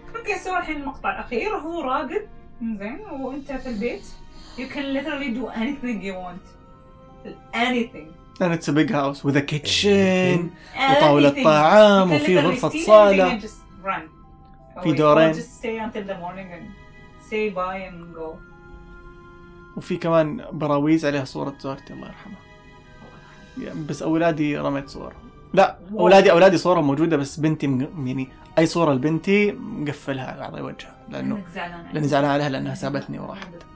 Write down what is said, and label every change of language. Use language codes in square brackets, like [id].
[ar] اوكي سو الحين المقطع الاخير هو راقد زين وانت في البيت. [en] You can literally do anything you want. Anything. And it's a big house with a kitchen [ar] وطاولة طعام وفي غرفة صالة. في دورين. Just stay until the morning and say bye and go. وفي كمان براويز عليها صورة زوجتي الله يرحمها. بس اولادي رميت صور. لا اولادي صورهم موجوده بس بنتي يعني اي صوره لبنتي مقفلها على بعض وجهها لانه لاني زعلان عليها لانها سابتني وراحت.